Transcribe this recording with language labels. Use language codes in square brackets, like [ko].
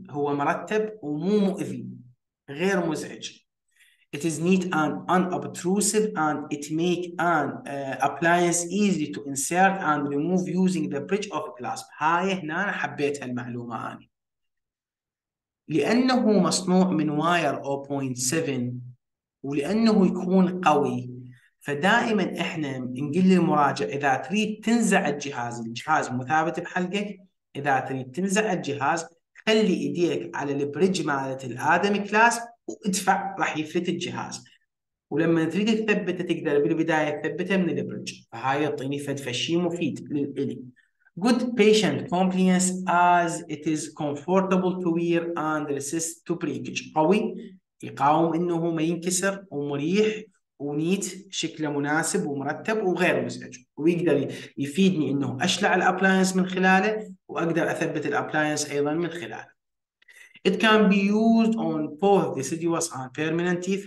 [ar] هو مرتب ومو مؤذي، غير مزعج. [en] It is neat and unobtrusive and it make an appliance easy to insert and remove using the bridge of a clasp. [ar] هاي هنا أنا حبيت هالمعلومة هاني، لأنه مصنوع من واير 0.7 ولأنه يكون قوي، فدائما احنا نقول للمراجع اذا تريد تنزع الجهاز مو ثابت بحلقك، اذا تريد تنزع الجهاز خلي ايديك على البريدج مالت الادم كلاس وادفع، راح يفلت الجهاز. ولما تريد تثبته تقدر بالبدايه تثبته من البريدج، فهاي يعطيني فد فشي مفيد للي. [en] Good patient compliance as it is comfortable to wear and resist to breakage. [ar] قوي، يقاوم انه ما ينكسر، ومريح ونيت، شكله مناسب ومرتب وغير مزعج، ويقدر يفيدني انه اشلع الابلاينس من خلاله واقدر اثبت الابلاينس ايضا من خلاله. [en] It can be used on both deciduous and permanent teeth.